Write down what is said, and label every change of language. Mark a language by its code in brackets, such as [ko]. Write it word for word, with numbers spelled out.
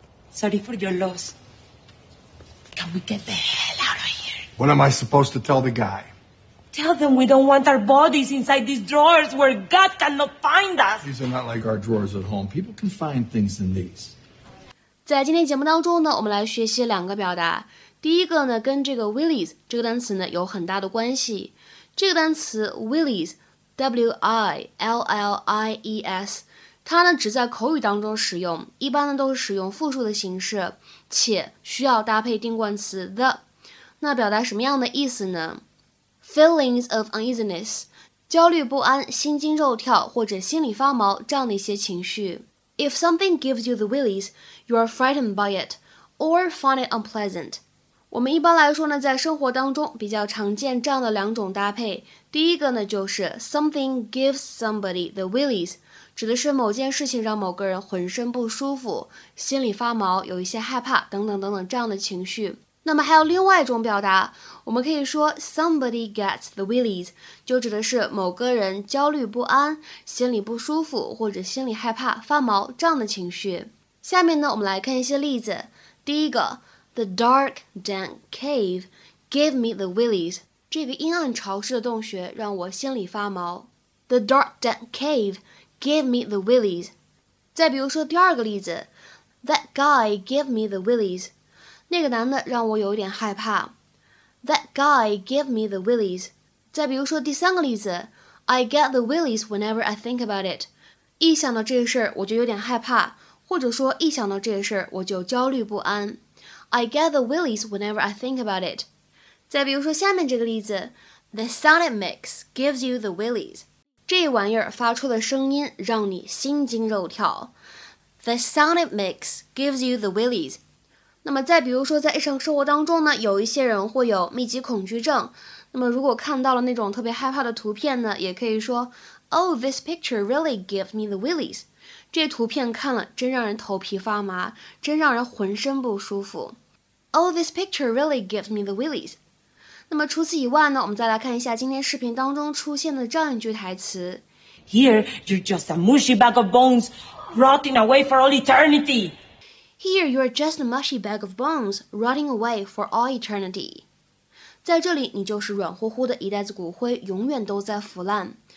[en] Sorry for your loss. Can we get the hell out of here? What am I supposed to tell the guy? Tell them we don't want our bodies inside these drawers where God cannot find us. These are not like our drawers at home. People can find things in these. [zh] 在今天节目当中呢，我们来学习两个表达。第一个呢，跟这个 willies 这个单词呢有很大的关系。这个单词 willies, W I L L I E S, 它呢只在口语当中使用，一般呢都是使用复数的形式，且需要搭配定冠词 the。那表达什么样的意思呢？ [en] Feelings of uneasiness, [zh] 焦虑不安、心惊肉跳或者心里发毛这样的一些情绪。 [en] If something gives you the willies, you are frightened by it or find it unpleasant. [zh] 我们一般来说呢，在生活当中比较常见这样的两种搭配。第一个呢，就是 [en] something gives somebody the willies， [zh] 指的是某件事情让某个人浑身不舒服、心里发毛、有一些害怕等等等等这样的情绪。那么还有另外一种表达，我们可以说 [en] somebody gets the willies， [zh] 就指的是某个人焦虑不安、心里不舒服或者心里害怕、发毛这样的情绪。下面呢，我们来看一些例子。第一个 [en] ，The dark dank cave gave me the willies。 [zh] 这个阴暗潮湿的洞穴让我心里发毛。 [en] The dark dank cave gave me the willies。 [zh] 再比如说第二个例子 [en] ，That guy gave me the willies。 [zh] 那个男的让我有点害怕。 [en] That guy gave me the willies. [zh] 再比如说第三个例子 [en] ，I get the willies whenever I think about it. [zh] 一想到这个事儿我就有点害怕，或者说一想到这个事儿我就焦虑不安。 [en] I get the willies whenever I think about it. [zh] 再比如说下面这个例子 [en] ，The sound it makes gives you the willies. [zh] 这玩意儿发出的声音让你心惊肉跳。 [en] The sound it makes gives you the willies. [zh] 那么再比如说在日常生活当中呢，有一些人会有密集恐惧症，那么如果看到了那种特别害怕的图片呢，也可以说 [en] Oh, this picture really gives me the willies. [zh] 这图片看了真让人头皮发麻，真让人浑身不舒服。 [en] Oh, this picture really gives me the willies. [zh] 那么除此以外呢，我们再来看一下今天视频当中出现的这样一句台词 [en] Here, you're just a mushy bag of bones rotting away for all eternity. Here you are just a mushy bag of bones rotting away for all eternity. [zh] 在这里你就是软乎乎的一袋子骨灰，永远都在腐烂。